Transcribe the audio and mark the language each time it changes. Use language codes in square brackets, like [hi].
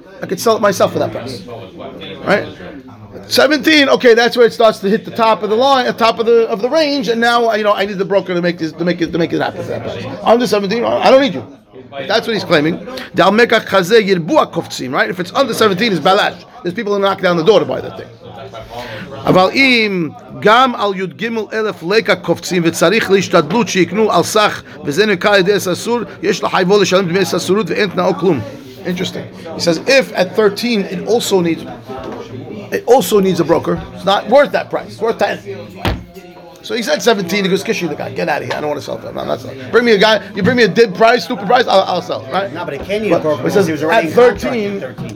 [en] I could sell it myself for that price. Right? 17, okay, that's where it starts to hit the top of the line, the top of the range, and now you know I need the broker to make this to make it happen for that price. Under 17, I don't need you. That's what he's claiming. Right? If it's under 17, it's balash. There's people who knock down the door to buy that thing. [he] אבל אם גם על יוד גימל אלף לקה קופצים וצריך להשתדלות שיקנו על סך וזה נקרא על ידי הסרסור יש לחייבו לשלם דמי הסרסורות ואין תנאו כלום. [en] Interesting. He says if at 13 it also needs a broker, it's not worth that price. It's worth 10. So he said 17. He goes, "Kiss you, the guy. Get out of here. I don't want to sell them. I'm not selling. Bring me a guy. You bring me a dead price, stupid price. I'll sell. Right? No, but it can't need a broker. He says at 13.